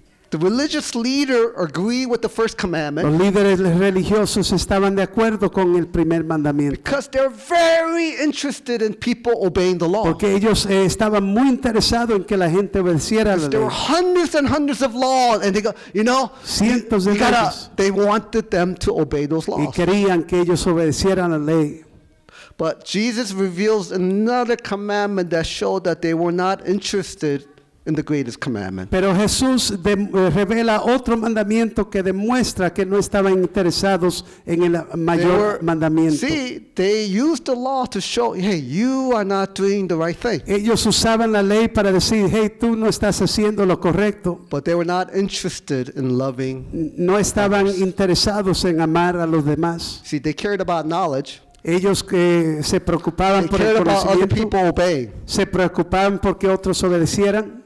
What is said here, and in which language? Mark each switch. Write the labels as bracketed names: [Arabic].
[English] The religious leader agree with the first commandment. [Spanish] Los líderes religiosos estaban de acuerdo con el primer mandamiento. [English] Because they're very interested in people obeying the law. [Spanish] Porque ellos estaban muy interesados en que la gente obedeciera la ley. [English] There were hundreds and hundreds of laws, and they go, you know, [Spanish] cientos de leyes. [English] They wanted them to obey those laws. [Spanish] Y querían que ellos obedecieran la ley. [English] But Jesus reveals another commandment that showed that they were not interested in the greatest commandment. [Spanish] Pero Jesús revela otro mandamiento que demuestra que no estaban interesados en el mayor mandamiento. [English] See, they used the law to show, hey, you are not doing the right thing. [Spanish] Ellos usaban la ley para decir, hey, tú no estás haciendo lo correcto. [English] But they were not interested in loving. [Spanish] No estaban interesados en amar a los demás. [English] See, they cared about knowledge. [Spanish] Ellos que se preocupaban por el conocimiento, se preocupaban porque otros obedecieran.